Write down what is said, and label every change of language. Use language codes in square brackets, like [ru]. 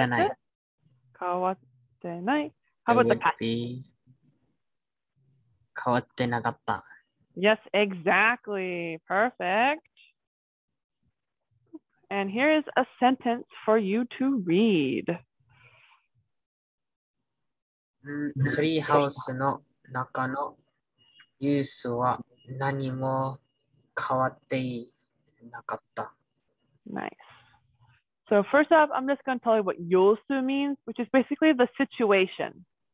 [ja] inai. Kawatte inai. [en] How about the past? [ja] Kawatte nakatta. [en] Yes, exactly. Perfect. And here is a sentence for you to read. [ja] ツリーハウスの中のユースは何も変わっていなかった。 [en] Nice. So first off, I'm just going to tell you what yusu means, which is basically the situation.